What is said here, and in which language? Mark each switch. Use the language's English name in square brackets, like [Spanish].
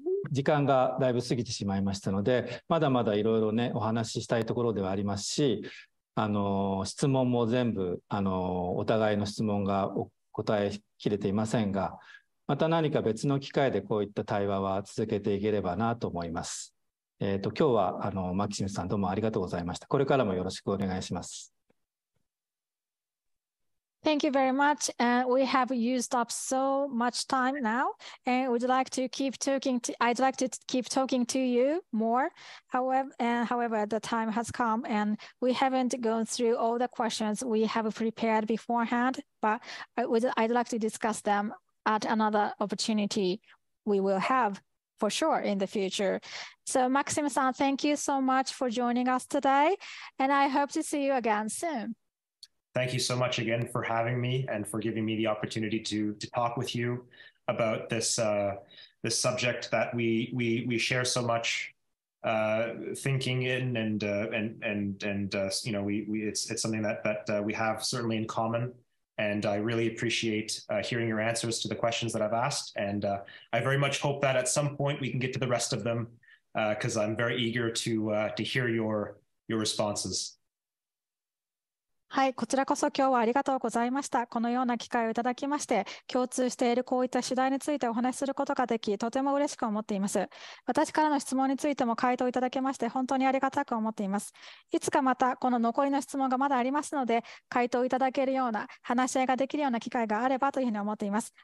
[Japanese] 時間がだいぶ過ぎてしまいましたので、まだまだいろいろね、お話ししたいところではありますし、質問も全部お互いの質問が答えきれていませんが、また何か別の機会でこういった対話は続けていければなと思います。今日はマキシムさんどうもありがとうございました。これからもよろしくお願いします。 [English] Thank you very much. And we have used up so much time now, and would like to keep talking. I'd like to keep talking to you more. However, the time has come, and we haven't gone through all the questions we have prepared beforehand. But I'd like to discuss them at another opportunity we will have for sure in the future. So, Maxim-san, thank you so much for joining us today, and I hope to see you again soon. Thank you so much again for having me and for giving me the opportunity to talk with you about this this subject that we share so much thinking in it's something that we have certainly in common, and I really appreciate hearing your answers to the questions that I've asked, and I very much hope that at some point we can get to the rest of them because I'm very eager to hear your responses. [Japanese] はい、こちらこそ今日はありがとうございました。このような機会をいただきまして、共通しているこういった主題についてお話しすることができ、とても嬉しく思っています。私からの質問についても回答いただけまして、本当にありがたく思っています。いつかまたこの残りの質問がまだありますので、回答いただけるような話し合いができるような機会があればというふうに思っています。